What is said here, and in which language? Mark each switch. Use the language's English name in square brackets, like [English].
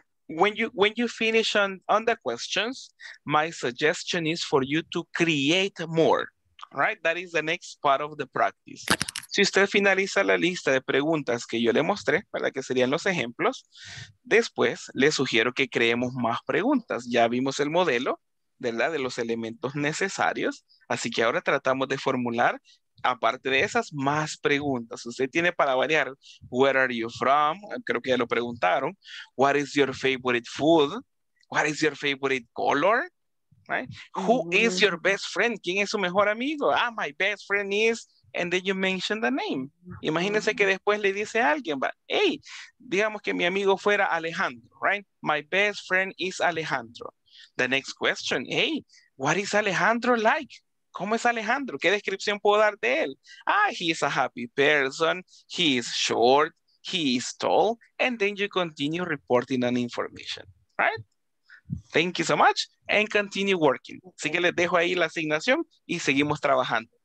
[English] When you finish on the questions, my suggestion is for you to create more, right? That is the next part of the practice. [Spanish] Si usted finaliza la lista de preguntas que yo le mostré, ¿verdad? Que serían los ejemplos, después le sugiero que creemos más preguntas. Ya vimos el modelo, ¿verdad? De los elementos necesarios. Así que ahora tratamos de formular, aparte de esas, más preguntas. Usted tiene para variar, [English] where are you from? [Spanish] Creo que ya lo preguntaron. [English] What is your favorite food? What is your favorite color? Right? Who is your best friend? [Spanish] ¿Quién es su mejor amigo? [English] Ah, my best friend is... And then you mention the name. [Spanish] Imagínense que después le dice a alguien, [English] but, hey, [Spanish] digamos que mi amigo fuera Alejandro, right? [English] My best friend is Alejandro. The next question, hey, what is Alejandro like? [Spanish] ¿Cómo es Alejandro? ¿Qué descripción puedo dar de él? [English] Ah, he is a happy person, he is short, he is tall, and then you continue reporting on information, right? Thank you so much, and continue working. [Spanish] Así que les dejo ahí la asignación y seguimos trabajando.